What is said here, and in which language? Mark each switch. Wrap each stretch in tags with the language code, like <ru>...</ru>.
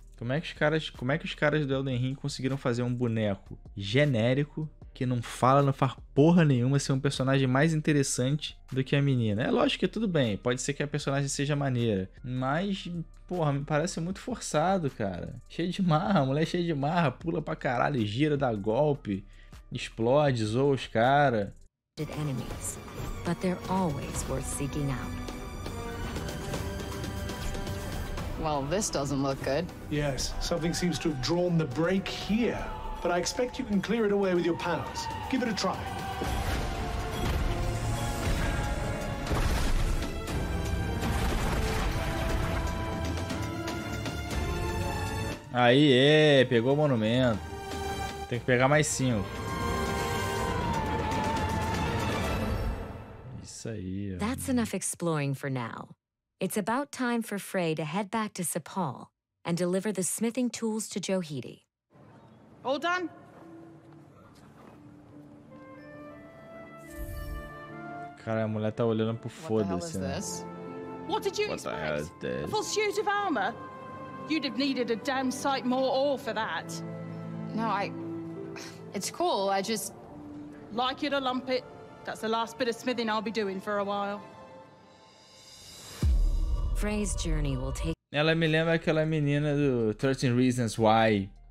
<pt>Como é que os caras do Elden Ring conseguiram fazer um boneco genérico que não fala, não faz porra nenhuma, ser um personagem mais interessante do que a menina? É lógico que tudo bem, pode ser que a personagem seja maneira, mas, porra, me parece muito forçado, cara. Cheio de marra, mulher cheia de marra, pula pra caralho, gira, dá golpe, explode, zoa os caras.</pt> <en>Did enemies, but they're always worth seeking out. Well, this doesn't look good. Yes, something seems to have drawn the break here. But I expect you can clear it away with your powers. Give it a try.</en> <pt>Aí, é, pegou o monumento. Tem que pegar mais 5. Isso aí.</pt> <en>That's enough exploring for now. It's about time for Frey to head back to Sepal and deliver the smithing tools to Johidi. All done?</en> <pt>Cara, a mulher tá olhando pro foda-se, né?</pt> <en>What did you expect? A full suit of armor? You'd have needed a damn sight more ore for that. No, I... It's cool, I just... Like it or lump it, that's the last bit of smithing I'll be doing for a while. Frey's journey will take...</en> <pt>Ela me lembra aquela menina do 13 Reasons Why.</pt>